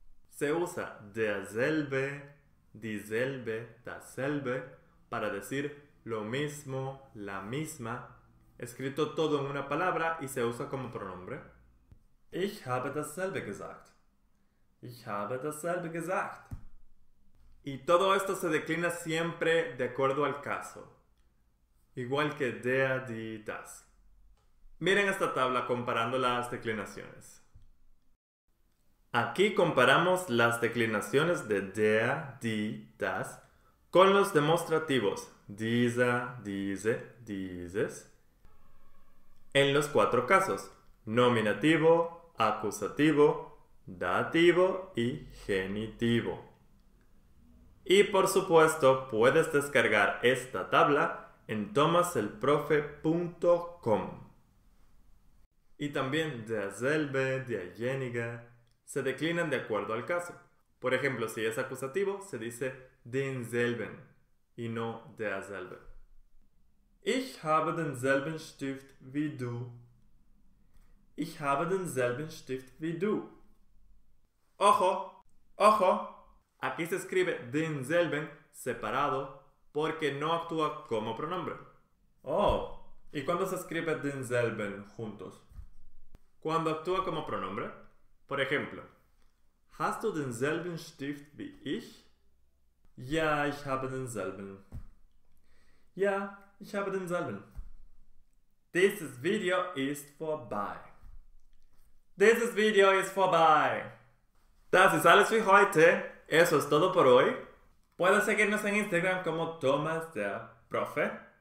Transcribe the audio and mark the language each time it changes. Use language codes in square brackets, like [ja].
[es] Se usa derselbe, dieselbe, dasselbe para decir lo mismo, la misma, escrito todo en una palabra y se usa como pronombre. [de] Ich habe dasselbe gesagt. Ich habe dasselbe gesagt. [es] Y todo esto se declina siempre de acuerdo al caso. Igual que der, die, das. Miren esta tabla comparando las declinaciones. Aquí comparamos las declinaciones de der, die, das con los demostrativos dieser, diese, dieses en los cuatro casos. Nominativo, acusativo, dativo y genitivo. Y por supuesto, puedes descargar esta tabla en thomaselprofe.com. Y también derselbe, derjenige, se declinan de acuerdo al caso. Por ejemplo, si es acusativo, se dice denselben y no derselbe. [de] Ich habe denselben Stift wie du. Ich habe denselben Stift wie du. [es] ¡Ojo! ¡Ojo! Aquí se escribe denselben separado porque no actúa como pronombre. Oh, ¿y cuándo se escribe denselben juntos? Cuando actúa como pronombre. Por ejemplo, [de] ¿Hast du denselben Stift wie ich? Ja, ich habe denselben. Ja, ich habe denselben. Dieses Video ist vorbei. Dieses Video ist vorbei. Das ist alles für heute. [es] Eso es todo por hoy. Puedes seguirnos en Instagram como Thomas der Profe.